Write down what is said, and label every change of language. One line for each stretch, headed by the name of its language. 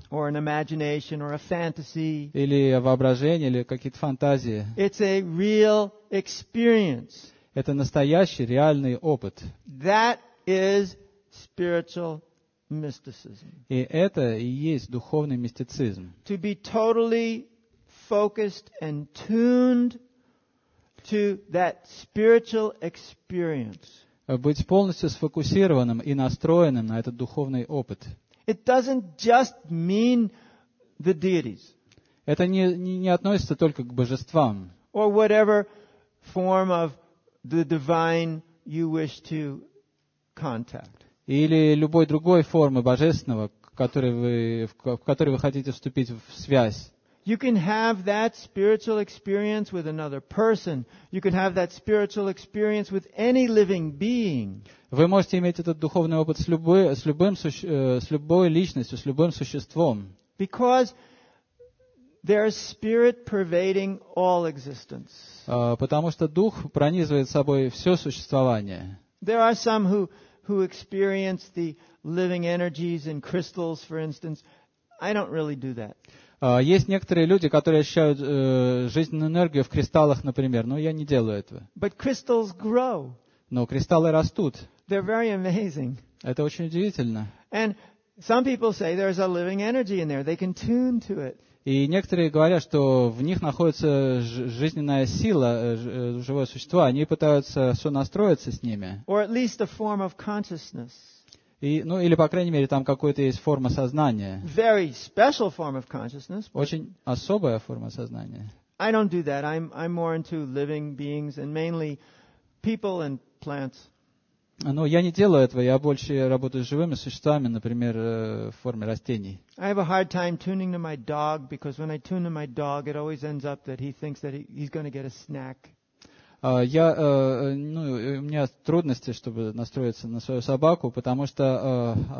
English: Or an imagination or a fantasy.
Russian: Или воображение, или какие-то фантазии.
English: It's a real experience.
Russian: Это настоящий, реальный опыт.
English: That is spiritual mysticism.
Russian: И это и есть духовный мистицизм.
English: To be totally focused and tuned to that spiritual experience.
Russian: Быть полностью сфокусированным и настроенным на этот духовный опыт.
English: It doesn't just mean the deities.
Russian: Это не относится только к божествам.
English: Or whatever form of the divine you wish to contact.
Russian: Или любой другой формы божественного, в которой вы хотите вступить в связь.
English: You can have that spiritual experience with another person. You can have that spiritual experience with any living being.
Russian: Вы можете иметь этот духовный опыт с любой личностью, с любым существом.
English: Because there is spirit pervading all existence.
Russian: Потому что дух пронизывает собой все существование.
English: There are some who who experience the living energies and crystals, for instance, I don't really do that.
Russian: Есть некоторые люди, которые ощущают жизненную энергию в кристаллах, например, но я не делаю этого.
English: But crystals grow.
Russian: Но кристаллы растут.
English: They're very amazing.
Russian: Это очень удивительно.
English: And some people say there's a living energy in there. They can tune to it.
Russian: И некоторые говорят, что в них находится жизненная сила, живое существо. Они пытаются сонастроиться с ними.
English: Or at least a form of consciousness.
Russian: И, ну, или, по крайней мере, там какая-то есть форма сознания.
English: Very special form of consciousness, but
Russian: очень особая форма сознания.
English: I don't do that. I'm more into living beings and mainly people and plants.
Russian: Ну, я не делаю этого. Я больше работаю с живыми существами, например, в форме растений.
English: I have a hard time tuning to my dog, because when I tune to my dog, it always ends up that he thinks that he's going to get a snack.
Russian: Я, ну, у меня трудности, чтобы настроиться на свою собаку, потому что